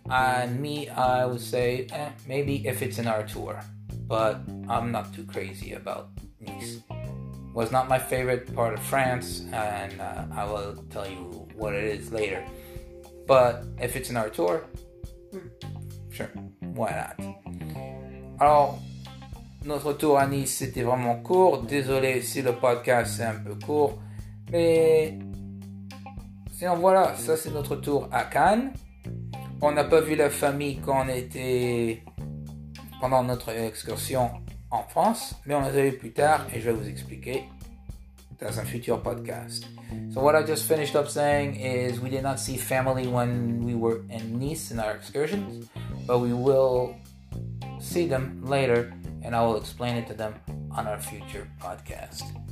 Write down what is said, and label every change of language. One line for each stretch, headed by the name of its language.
English: And me, I would say, maybe if it's in our tour. But I'm not too crazy about Nice. Was not my favorite part of France. And I will tell you what it is later. But if it's in our tour, sure, why not?
French: Alors, notre tour à Nice, c'était vraiment court. Désolé si le podcast est un peu court. Mais sinon, voilà, ça c'est notre tour à Cannes. On n'a pas vu la famille quand on était pendant notre excursion en France. Mais on les a vu plus tard et je vais vous expliquer dans un futur podcast.
English: So what I just finished up saying is we did not see family when we were in Nice in our excursions, but we will see them later, and I will explain it to them on our future podcast.